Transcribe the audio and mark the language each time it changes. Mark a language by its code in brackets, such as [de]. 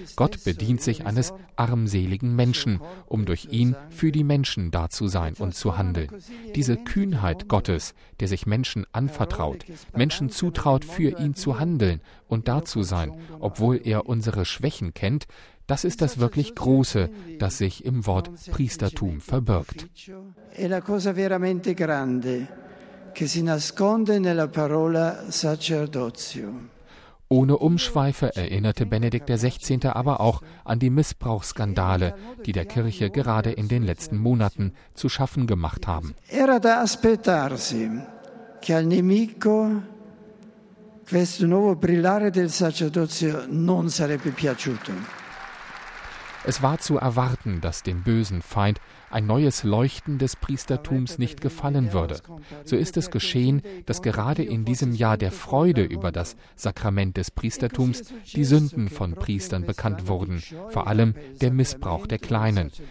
[de] Gott bedient sich eines armseligen Menschen, um durch ihn für die Menschen da zu sein und zu handeln. Diese Kühnheit Gottes, der sich Menschen anvertraut, Menschen zutraut, für ihn zu handeln und da zu sein, obwohl er unsere Schwächen kennt, das ist das wirklich Große, das sich im Wort Priestertum verbirgt. [it] È la cosa veramente grande che si nasconde nella parola sacerdozio. [de] Ohne Umschweife erinnerte Benedikt der 16. aber auch an die Missbrauchsskandale, die der Kirche gerade in den letzten Monaten zu schaffen gemacht haben. [it] Era da aspettarsi che al nemico questo nuovo brillare del sacerdozio non sarebbe piaciuto. [de] Es war zu erwarten, dass dem bösen Feind ein neues Leuchten des Priestertums nicht gefallen würde. So ist es geschehen, dass gerade in diesem Jahr der Freude über das Sakrament des Priestertums die Sünden von Priestern bekannt wurden, vor allem der Missbrauch der Kleinen.